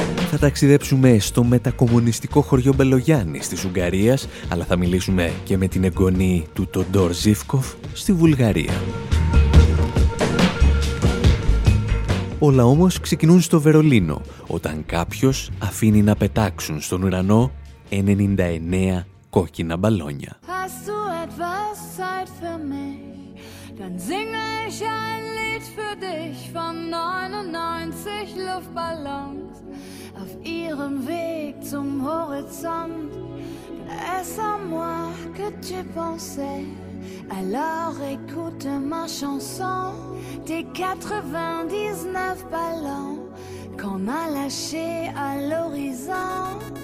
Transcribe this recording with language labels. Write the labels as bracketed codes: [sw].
[el] Θα ταξιδέψουμε στο μετακομμουνιστικό χωριό Μπελογιάννης της Ουγγαρίας αλλά θα μιλήσουμε και με την εγγονή του Τοντόρ Ζίφκοφ στη Βουλγαρία. Όλα όμως ξεκινούν στο Βερολίνο όταν κάποιος αφήνει να πετάξουν στον ουρανό 99 κόκκινα μπαλόνια. [de] Hast du etwas Zeit für mich? Dann singe ich ein Lied für dich von 99 Luftballons auf ihrem Weg zum Horizont. [fr] Est-ce à moi que tu pensais? Alors écoute ma chanson, tes 99 ballons qu'on a lâchés à l'horizon.